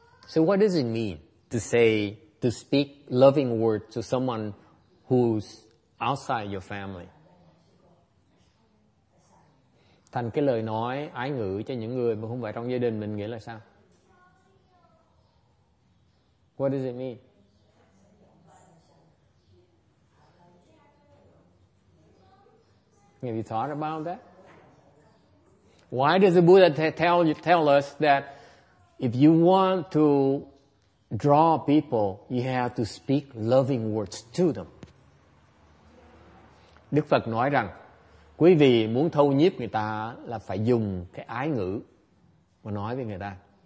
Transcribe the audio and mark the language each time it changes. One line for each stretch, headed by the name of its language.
English: So what does it mean to speak loving words to someone who's outside your family?
Vietnamese: Thành cái lời nói ái ngữ cho những người mà không phải trong gia đình mình nghĩa là sao?
English: What does it mean? Have you thought about that? Why does the Buddha tell us that if you want to draw people, you have to speak loving words to them?
Vietnamese: Đức Phật nói rằng, quý vị muốn thâu nhiếp người ta là phải dùng cái ái ngữ mà nói với người ta.